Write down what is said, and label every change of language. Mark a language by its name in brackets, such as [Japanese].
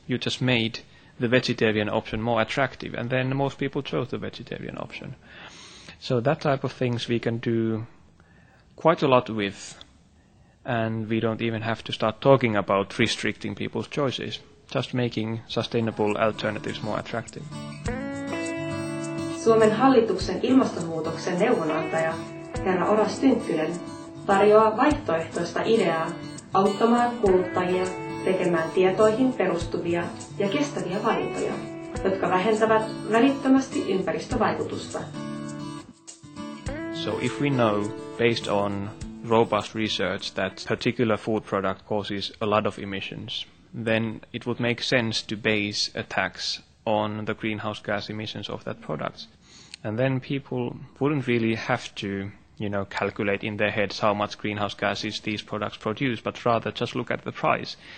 [English] You just made the vegetarian option more attractive, and then most people chose the vegetarian option. So that type of things we can do quite a lot with, and we don't even have to start talking about restricting people's choices, just making sustainable alternatives more attractive. [Finnish] Suomen hallituksen ilmastonmuutoksen neuvonantaja, herra Oras Tynkkynen, tarjoaa vaihtoehtoista ideaa auttamaan kuluttajia tekemään tietoihin perustuvia ja kestäviä valintoja, jotka vähentävät välittömästi ympäristövaikutusta. [English] So if we know, based on robust research, that particular food product causes a lot of emissions, then it would make sense to base a tax on the greenhouse gas emissions of that product. And then people wouldn't really have to, you know, calculate in their heads how much greenhouse gases these products produce, but rather just look at the price.